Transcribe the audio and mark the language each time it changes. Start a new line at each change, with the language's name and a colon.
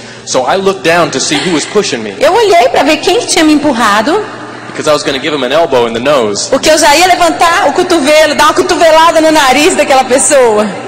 English: So I looked down to see who was pushing me.
Portuguese: Eu olhei para ver quem tinha me empurrado.
English: Because I was going to give him an elbow in the nose.
Portuguese: Porque eu já ia levantar o cotovelo, dar uma cotovelada no nariz daquela pessoa.